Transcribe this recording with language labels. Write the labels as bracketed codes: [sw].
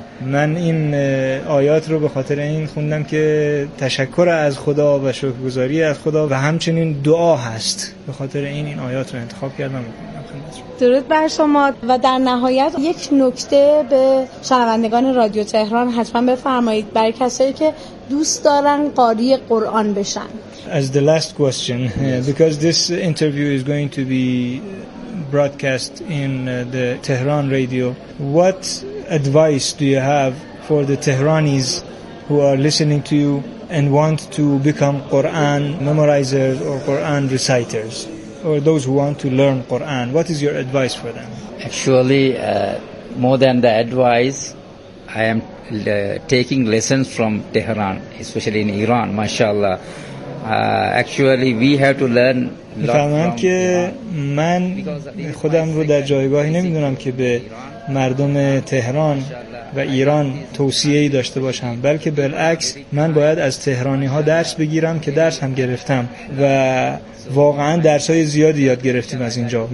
[fa] من این آیات رو به خاطر این خوندم که تشکر از خدا و شکرگزاری از خدا و همچنین دعا هست، به خاطر این آیات رو انتخاب کردم. درود بر شما. و در نهایت یک نکته به شنوندگان رادیو تهران حتما بفرمایید، برای کسایی که دوست دارن قاری قرآن بشن. [en] As the last question, because this interview is going to be broadcast in the Tehran radio, what advice do you have for the Tehranis who are listening to you and want to become Quran memorizers or Quran reciters, or those who want to learn Quran? What is your advice for them? Actually, more than the advice, I am taking lessons from Tehran, especially in Iran, mashallah. Actually, we have to learn. [fa] می‌فهمم که من خودم رو در جایگاهی نمی‌دونم که به مردم تهران و ایران توصیه‌ای داشته باشم، بلکه بالعکس من باید از تهرانی‌ها درس بگیرم، که درس هم گرفتم و واقعاً درس‌های زیادی یاد گرفتیم از اینجا.